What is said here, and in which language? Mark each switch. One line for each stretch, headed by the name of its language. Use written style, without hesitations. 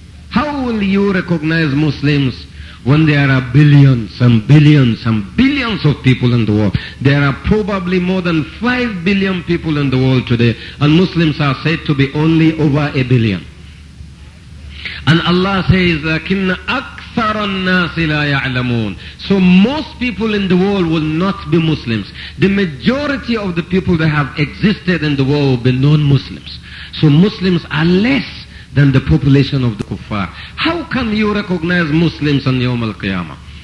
English: How will you recognize Muslims when there are billions and billions and billions of people in the world? There are probably more than 5 billion people in the world today, and Muslims are said to be only over 1 billion. And Allah says,
Arabic: لَكِنَّ أَكْثَرَ النَّاسِ لَا يَعْلَمُونَ.
English: So most people in the world will not be Muslims. The majority of the people that have existed in the world will be non-Muslims. So Muslims are less than the population of the kuffar. How can you recognize Muslims on Yawm al-Qiyamah?